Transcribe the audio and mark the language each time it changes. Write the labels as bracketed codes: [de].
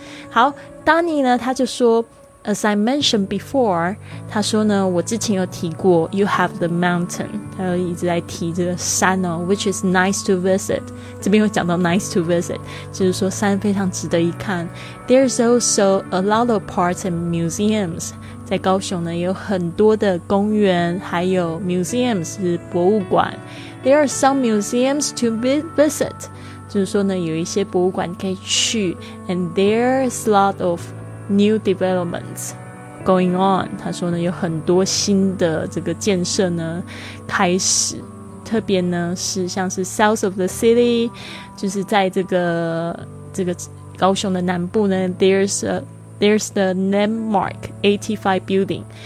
[zh] 好 Danny 呢他就说 [en] As I mentioned before [zh] 他说呢我之前有提过 [en] You have the mountain [zh] 他就一直在提这个山哦 [en] Which is nice to visit [zh] 这边又讲到 nice to visit 就是说山非常值得一看 [en] There's also a lot of parks and museums [zh] 在高雄呢有很多的公园还有 museums 是博物馆 [en] There are some museums to visit. [zh] 就是说呢，有一些博物馆可以去 [en] And there's a lot of new developments going on. [zh] 他说呢，有很多新的这个建设呢，开始。特别呢，是像是 south of the city, 就是在这个高雄的南部呢 [en] there's the landmark 85 building.